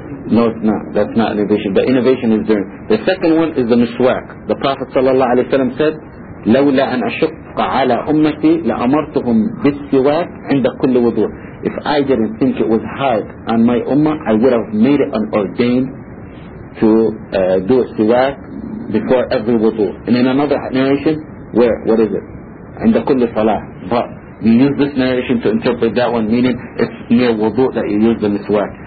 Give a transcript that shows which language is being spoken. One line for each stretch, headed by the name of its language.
English: We'll get to that. No, that's not innovation. The innovation is there. The second one is the miswak. The Prophet sallallahu alaihi wasallam said,
Arabic: "لولا أن أشق على أمتي لأمرتهم بالسواك عند كل وضوء."
English: If I didn't think it was hard on my ummah, I would have made it an ordain to do a siwak before every wudu. And in another narration, where? What is it?
Arabic: عند كل صلاة.
English: But we use this narration to interpret that one, meaning it's near wudu that you use the miswak.